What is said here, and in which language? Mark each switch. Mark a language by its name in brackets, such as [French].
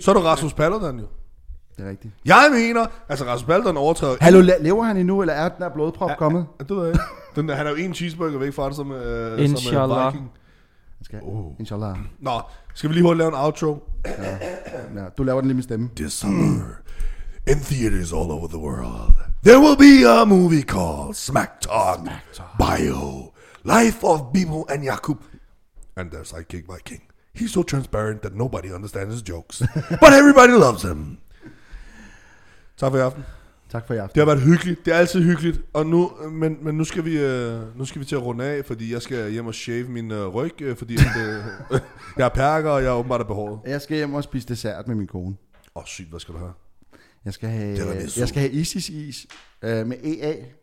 [Danish] Så er du Rasmus Paludan, jo. Det er rigtigt. Jeg mener, altså Rasmus Paludan overtræder... Hallo, lever han endnu, eller er den der blodprop kommet? Det ved jeg ikke. Den der, han er jo en cheeseburger væk fra det, som [Arabic] Inshallah. Inshallah. [Danish] Nå, skal vi lige hurtigt lave en outro? Ja, du laver den lige med stemme. [English] This summer, in theaters all over the world, there will be a movie called Smack Talk. Bio, Life of Bibo and Jakub. And their sidekick Viking. He's so transparent that nobody understands his jokes. But everybody loves him. [Danish] Tak for i aften. Tak for i aften. Det har været hyggeligt. Det er altid hyggeligt. Og nu, men nu skal vi til at runde af, fordi jeg skal hjem og shave min ryg, fordi jeg er perker, og jeg er åbenbart behåret. Jeg skal hjem og spise dessert med min kone. Sygt, hvad skal du have? Jeg skal have Isis med EA.